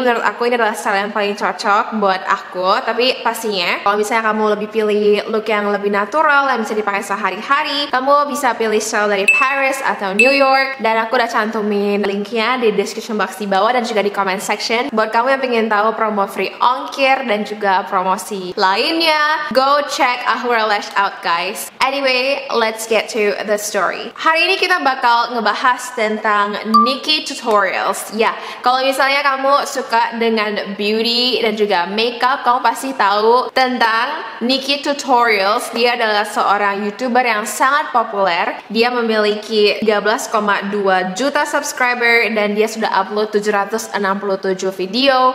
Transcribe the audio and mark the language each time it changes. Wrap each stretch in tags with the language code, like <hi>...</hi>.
<id>Menurut aku ini adalah style yang paling cocok buat aku. Tapi pastinya kalau misalnya kamu lebih pilih look yang lebih natural yang bisa dipakai sehari-hari, kamu bisa pilih style dari Paris atau New York, dan aku udah cantumin linknya di description box di bawah dan juga di comment section. Buat kamu yang pengen tahu promo free ongkir dan juga promosi lainnya,</id> <en>go check Ahura Lash out guys. Anyway, let's get to the story.</en> <id>Hari ini kita bakal ngebahas tentang Nikki Tutorials. Ya, kalau misalnya kamu suka dengan beauty dan juga makeup, kamu pasti tahu tentang Nikki Tutorials. Dia adalah seorang YouTuber yang sangat populer. Dia memiliki 13,2 juta subscriber dan dia sudah upload 767 video.</id>